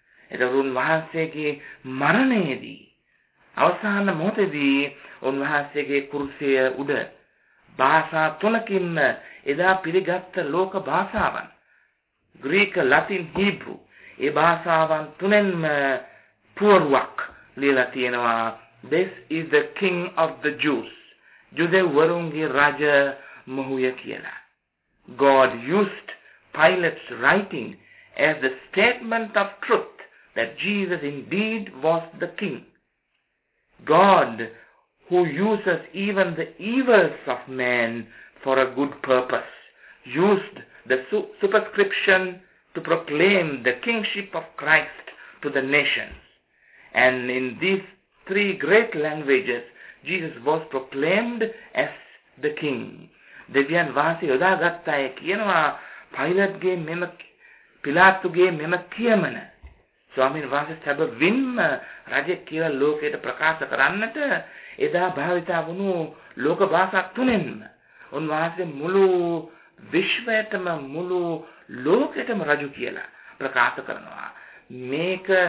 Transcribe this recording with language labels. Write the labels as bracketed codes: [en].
[si] එතකොට උන්වහන්සේගේ මරණයේදී අවසාන මොහොතේදී උන්වහන්සේගේ කුරුසය උඩ භාෂා තුනකින්ම එදා පිළිගත්ත ලෝක භාෂාවන් ග්‍රීක, ලතින්, හීබ්‍රු, ඒ භාෂාවන් තුනෙන්ම පුවරුවක් ලියලා තියෙනවා. [en] "This is the king of the Jews." [si] යුදෙව්වරුන්ගේ රජ මොහුය කියලා. [en] "God used Pilate's writing as the statement of truth that Jesus indeed was the king. God, who uses even the evils of man for a good purpose, used the superscription to proclaim the kingship of Christ to the nations. And in these three great languages, Jesus was proclaimed as the king." [si] දෙවියන් වහන්සේ යොදා ගත්තාය කියනවා පයිලට්ගේ මෙම, පිලාතුගේ මෙම කියමන. ස්වාමීන් වහන්සේ සැබවින්ම රජෙක් කියලා ලෝකයට ප්‍රකාශ කරන්නට එදා භාවිතා වුණු ලෝක භාෂා තුනෙන්ම උන්වහන්සේ මුළු විශ්වයටම, මුළු ලෝකෙටම රජු කියලා ප්‍රකාශ කරනවා. මේක